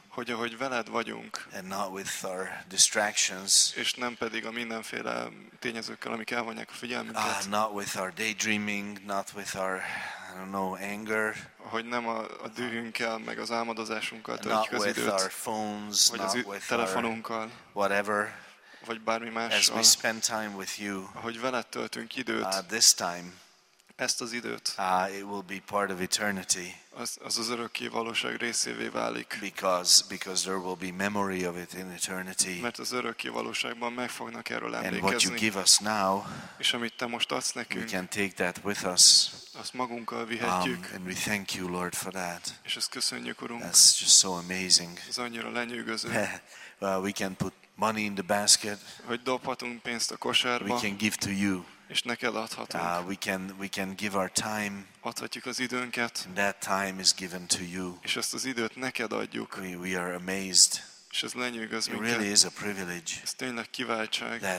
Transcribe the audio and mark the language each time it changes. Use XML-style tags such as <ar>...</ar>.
<hu>Hogy ahogy veled vagyunk.</hu> <en>And not with our distractions.</en> <hu>És nem pedig a mindenféle tényezőkkel, amik elvonják a figyelmünket.</hu> <en>Not with our daydreaming, not with our I don't know, anger.</en> <hu>Hogy nem a dühünkkel, meg az álmodozásunkkal töltjük az időt.</hu> <en>Our phones,</en> <hu>vagy az</hu> <en>with</en> <hu>telefonunkkal.</hu> <en>Whatever.</en> <hu>Vagy bármi mással.</hu> <en>As we spend time with you.</en> <hu>Ahogy veled töltünk időt.</hu> <en>This time.</en> <hu>Ezt az időt.</hu> <en>It will be part of eternity.</en> <hu>Az örökké valóság részévé válik.</hu> <en>Because there will be memory of it in eternity.</en> <hu>Mert az örökké valóságban meg fognak erről emlékezni.</hu> <en>And what you give us now.</en> <hu>És amit te most adsz nekünk.</hu> <en>We can take that with us.</en> <hu>Azt magunkkal vihetjük.</hu> <en>And we thank you, Lord, for that.</en> <hu>És ezt köszönjük, Urunk.</hu> <en>That's just so amazing.</en> <hu>Ez annyira lenyűgöző.</hu> <en>Well, we can put money in the basket.</en> <hu>Hogy dobhatunk pénzt a kosárba.</hu> <en>We can give to you.</en> <hu>És neked adhatunk.</hu> <en>We can give our time.</en> <hu>Adhatjuk az időnket.</hu> <en>And that time is given to you.</en> <hu>És ezt az időt neked adjuk.</hu> <en>We are amazed.</en> <hu>És ez lenyűgöz minket.</hu> <en>It really is a privilege.</en> <hu>Ez tényleg kiváltság.</hu>